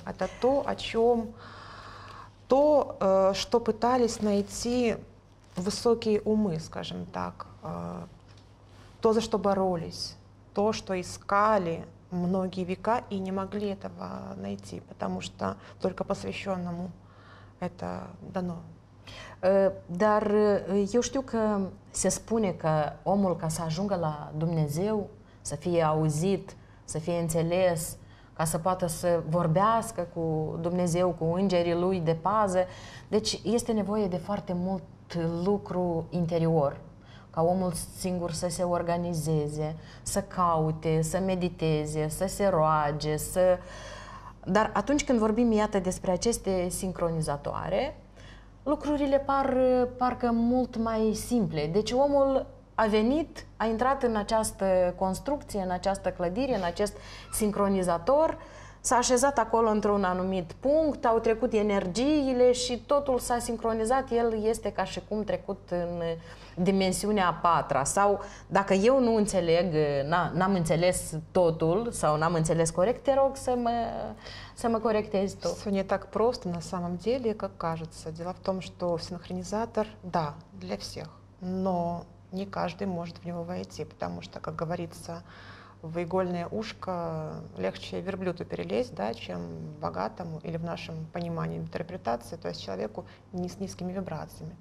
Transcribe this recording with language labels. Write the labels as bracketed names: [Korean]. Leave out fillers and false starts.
[Russian] Это то, о чем, то, что пытались найти высокие умы, скажем так, то, за что боролись, то, что искали многие века и не могли этого найти, потому что только посвященному это дано. [Romanian] Dar eu știu că se spune că omul, ca să ajungă la Dumnezeu, să fie auzit, să fie înțeles, ca să poată să vorbească cu Dumnezeu, cu îngerii lui de pază, deci este nevoie de foarte mult lucru interior, ca omul singur să se organizeze, să caute, să mediteze, să se roage, să... Dar atunci când vorbim, iată, despre aceste sincronizatoare, lucrurile parcă mult mai simple. Deci omul a venit, a intrat în această construcție, în această clădire, în acest sincronizator, s-a așezat acolo într-un anumit punct, au trecut energiile și totul s-a sincronizat. El este ca și cum trecut în dimensiunea a patra. Sau dacă eu nu înțeleg, n-am înțeles totul sau n-am înțeles corect, te rog să mă corectezi tu. [Russian] Все не так просто на самом деле, как кажется. Дело в том, что синхронизатор, да, для всех, но не каждый может в него войти, потому что, как говорится, в игольное ушко легче верблюду перелезть, да, чем богатому, или в нашем понимании интерпретации, то есть человеку не с низкими вибрациями.